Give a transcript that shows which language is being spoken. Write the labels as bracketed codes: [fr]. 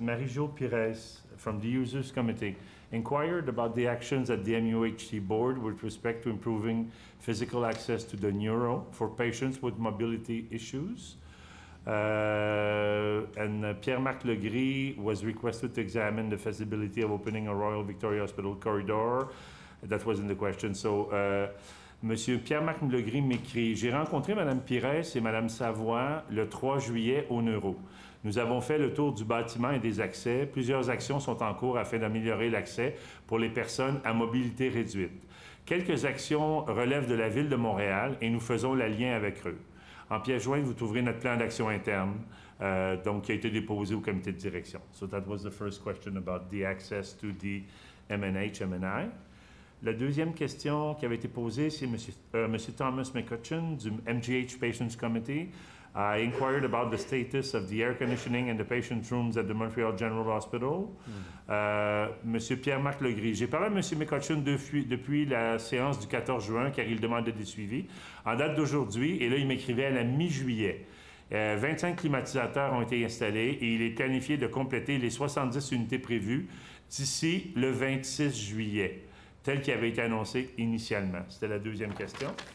[en] Marie-Jo Pires from the Users Committee inquired about the actions at the MUHC board with respect to improving physical access to the neuro for patients with mobility issues. And Pierre-Marc Legris was requested to examine the feasibility of opening a Royal Victoria Hospital corridor. That wasn't the question. [fr] So, Monsieur Pierre-Marc Legris m'écrit, j'ai rencontré Madame Pires et Madame Savoie le 3 juillet au Neuro. Nous avons fait le tour du bâtiment et des accès. Plusieurs actions sont en cours afin d'améliorer l'accès pour les personnes à mobilité réduite. Quelques actions relèvent de la ville de Montréal et nous faisons le lien avec eux. En pièce jointe, vous trouverez notre plan d'action interne, donc qui a été déposé au comité de direction. [en] So that was the first question about the access to the MNH, MNI. [fr] La deuxième question qui avait été posée, c'est Monsieur Thomas McCutcheon du MGH Patients Committee. [en] I inquired about the status of the air conditioning and the patient's rooms at the Montreal General Hospital. [fr] Monsieur Pierre-Marc Legris, j'ai parlé à Monsieur McCutcheon depuis la séance du 14 juin, car il demandait des suivis. En date d'aujourd'hui, et là il m'écrivait à la mi-juillet, 25 climatisateurs ont été installés et il est planifié de compléter les 70 unités prévues d'ici le 26 juillet, tel qui avait été annoncé initialement. C'était la deuxième question.